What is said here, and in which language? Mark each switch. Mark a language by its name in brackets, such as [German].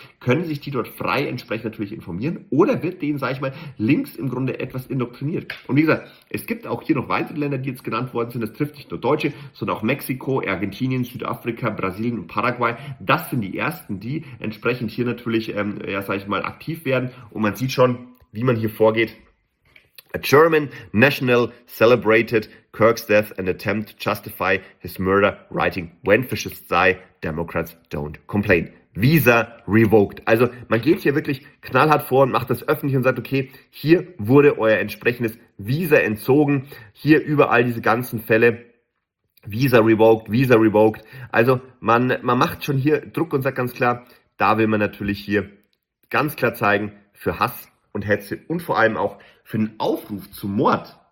[German] Können sich die dort frei entsprechend natürlich informieren oder wird denen, sag ich mal, links im Grunde etwas indoktriniert? Und wie gesagt, es gibt auch hier noch weitere Länder, die jetzt genannt worden sind. Das trifft nicht nur Deutsche, sondern auch Mexiko, Argentinien, Südafrika, Brasilien und Paraguay. Das sind die ersten, die entsprechend hier natürlich, ja, sag ich mal, aktiv werden. Und man sieht schon, wie man hier vorgeht. [English] A German national celebrated Kirk's death and attempt to justify his murder, writing, when fascists die, Democrats don't complain. Visa revoked. [German] Also man geht hier wirklich knallhart vor und macht das öffentlich und sagt, okay, hier wurde euer entsprechendes Visa entzogen. Hier überall diese ganzen Fälle. [English] Visa revoked, Visa revoked. [German] Also man macht schon hier Druck und sagt ganz klar, da will man natürlich hier ganz klar zeigen, für Hass und Hetze und vor allem auch für den Aufruf zum Mord.